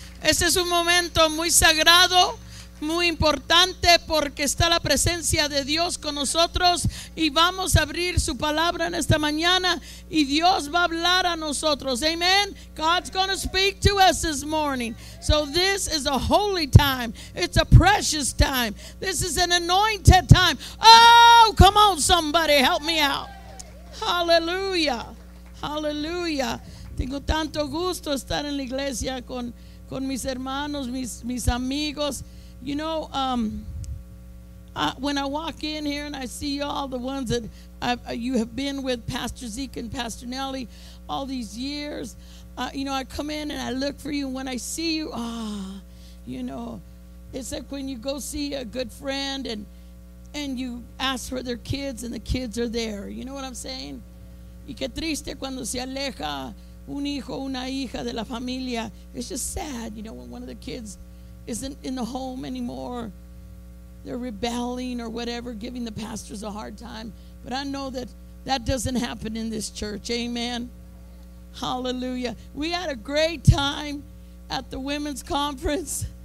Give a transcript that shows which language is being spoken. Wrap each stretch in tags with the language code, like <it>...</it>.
<es>Este es un momento muy sagrado, muy importante, porque está la presencia de Dios con nosotros, y vamos a abrir su palabra en esta mañana, y Dios va a hablar a nosotros. Amen.</es> <en>God's going to speak to us this morning. So this is a holy time. It's a precious time. This is an anointed time. Oh, come on, somebody help me out. Hallelujah. Hallelujah.</en> <es>Tengo tanto gusto estar en la iglesia con mis hermanos, mis amigos.</es> <en>You know, when I walk in here and I see all the ones that you have been with, Pastor Zeke and Pastor Nelly, all these years, you know, I come in and I look for you. And when I see you, you know, it's like when you go see a good friend and you ask for their kids and the kids are there. You know what I'm saying?</en> <es>Y qué triste cuando se aleja un hijo, una hija de la familia.</es> <en>It's just sad, you know, when one of the kids isn't in the home anymore. They're rebelling or whatever, giving the pastors a hard time. But I know that that doesn't happen in this church. Amen. Hallelujah. We had a great time at the women's conference.</en>